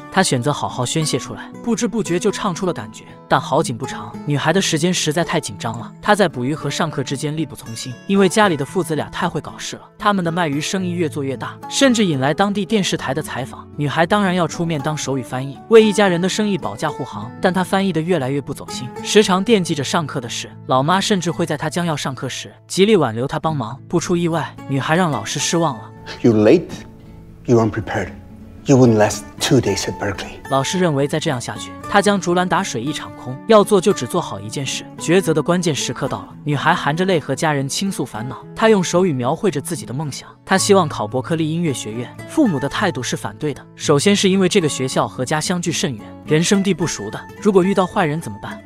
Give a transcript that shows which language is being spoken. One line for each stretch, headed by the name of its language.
Chinese: 他选择好好宣泄出来，不知不觉就唱出了感觉。但好景不长，女孩的时间实在太紧张了，她在捕鱼和上课之间力不从心，因为家里的父子俩太会搞事了，他们的卖鱼生意越做越大，甚至引来当地电视台的采访。女孩当然要出面当手语翻译，为一家人的生意保驾护航，但她翻译得越来越不走心，时常惦记着上课的事。老妈甚至会在她将要上课时极力挽留她帮忙。不出意外，女孩让老师失望了。
English: You're late, you're unprepared, you wouldn't last two days at Berkeley.
Chinese: 老师认为再这样下去，他将竹篮打水一场空，要做就只做好一件事。抉择的关键时刻到了，女孩含着泪和家人倾诉烦恼，她用手语描绘着自己的梦想，她希望考伯克利音乐学院。父母的态度是反对的，首先是因为这个学校和家相距甚远，人生地不熟的，如果遇到坏人怎么办？